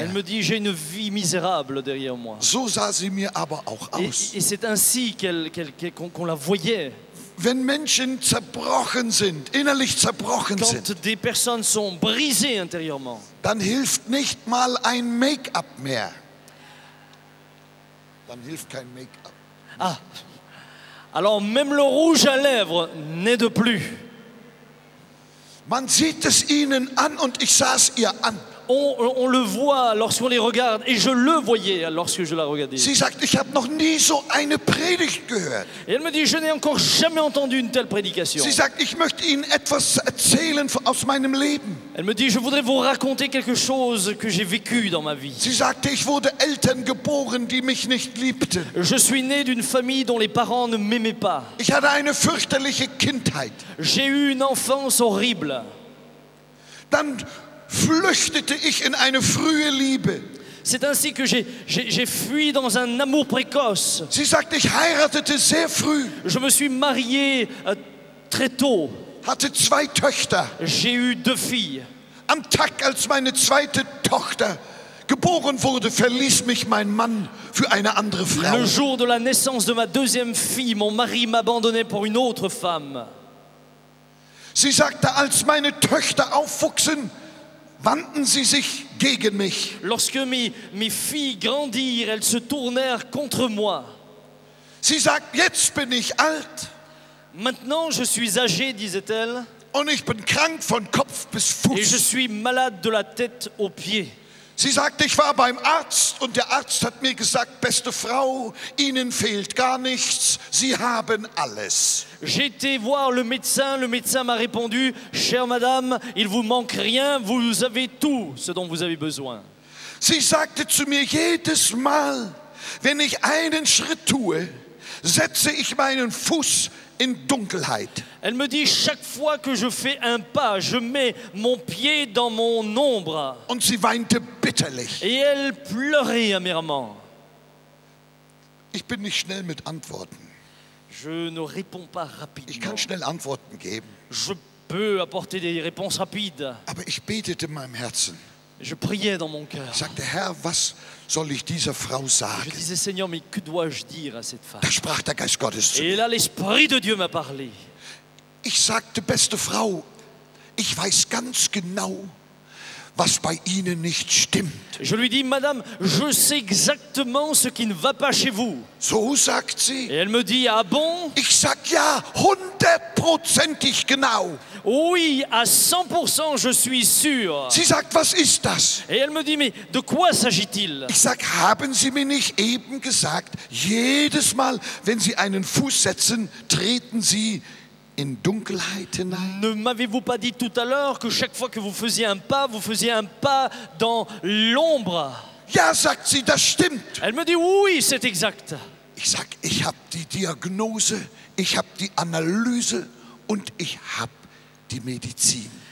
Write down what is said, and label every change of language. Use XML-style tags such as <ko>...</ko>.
<fr>Elle me dit, j'ai une vie misérable derrière moi.</fr> <de>So sah sie mir aber auch aus.</de> <fr>Et c'est ainsi qu'on la voyait.</fr> <de>Wenn Menschen zerbrochen sind, innerlich zerbrochen sind,</de> <fr>quand des personnes sont brisées intérieurement,</fr> <de>dann hilft nicht mal ein Make-up mehr. Dann hilft kein Make-up.</de> <fr>Ah, alors même le rouge à lèvres n'aide plus.</fr> <de>Man sieht es ihnen an und ich sah es ihr an.</de> <fr>On le voit lorsqu'on les regarde et je le voyais lorsque je la regardais.</fr> <de>Sie sagt, ich habe noch nie so eine Predigt gehört.</de> <fr>Et elle me dit, je n'ai encore jamais entendu une telle prédication.</fr> <de>Sie sagt, ich möchte Ihnen etwas erzählen aus meinem Leben.</de> <fr>Elle me dit, je voudrais vous raconter quelque chose que j'ai vécu dans ma vie.</fr> <de>Sie sagte, ich wurde Eltern geboren, die mich nicht liebten.</de> <fr>Je suis né d'une famille dont les parents ne m'aimaient pas.</fr> <de>Ich hatte eine fürchterliche Kindheit.</de> <fr>J'ai eu une enfance horrible.</fr> <de>Dann flüchtete ich in eine frühe Liebe.</de> <fr>C'est ainsi que j'ai fui dans un amour précoce.</fr> <de>Sie sagte, ich heiratete sehr früh.</de> <fr>Je me suis marié très tôt.</fr> <de>Hatte zwei Töchter.</de> <fr>J'ai eu deux filles.</fr> <de>Am Tag, als meine zweite Tochter geboren wurde, verließ mich mein Mann für eine andere Frau.</de> <fr>Le jour de la naissance de ma deuxième fille, mon mari m'abandonnait pour une autre femme.</fr> <de>Sie sagte, als meine Töchter aufwuchsen, wandten sie sich gegen mich.</de> <fr>Lorsque mes filles grandirent, elles se tournèrent contre moi.</fr> <de>Sie sagt, jetzt bin ich alt.</de> <fr>Maintenant je suis âgé, disait-elle.</fr> <de>Und ich bin krank von Kopf bis Fuß.</de> <fr>Et je suis malade de la tête aux pieds.</fr> <de>Sie sagt, ich war beim Arzt und der Arzt hat mir gesagt, beste Frau, Ihnen fehlt gar nichts, Sie haben alles.</de> <fr>J'étais voir le médecin m'a répondu, chère madame, il vous manque rien, vous avez tout, ce dont vous avez besoin.</fr> <de>Sie sagte zu mir, jedes Mal, wenn ich einen Schritt tue, setze ich meinen Fuß in Dunkelheit.</de> <fr>Elle me dit, chaque fois que je fais un pas, je mets mon pied dans mon ombre.</fr> <de>Und sie weinte bitterlich.</de> <fr>Et elle pleurait amèrement.</fr> <de>Ich bin nicht schnell mit Antworten.</de> <fr>Je ne réponds pas rapidement.</fr> <de>Ich kann schnell Antworten geben.</de> <fr>Je peux apporter des réponses rapides.</fr> <de>Aber ich betete in meinem Herzen.</de> <fr>Je priais dans mon cœur.</fr> <de>Sagte, Herr, was soll ich dieser Frau sagen?</de> <fr>Je disais, Seigneur, mais que dois-je dire à cette femme?</fr> <de>Da sprach der Geist Gottes zu mir.</de> <fr>Et là, l'Esprit de Dieu m'a parlé.</fr> <de>Ich sagte, beste Frau, ich weiß ganz genau, was bei Ihnen nicht stimmt.</de> <fr>Je lui dis, madame, je sais exactement ce qui ne va pas chez vous.</fr> <de>So sagt sie.</de> <fr>Et elle me dit, ah bon?</fr> <de>Ich sag ja, hundertprozentig genau.</de> <fr>Oui, à 100% je suis sûr.</fr> <de>Sie sagt, was ist das?</de> <fr>Et elle me dit, mais de quoi s'agit-il?</fr> <de>Ich sag, haben Sie mir nicht eben gesagt, jedes Mal, wenn Sie einen Fuß setzen, treten Sie in Dunkelheit hinein?</de> <fr>Ne m'avez-vous pas dit tout à l'heure que chaque fois que vous faisiez un pas dans l'ombre?</fr> <de>Ja, sagt sie, das stimmt.</de> <fr>Elle me dit, oui, c'est exact.</fr> <de>Ich sag, ich hab die Diagnose, ich hab die Analyse und ich hab die Medizin.</de>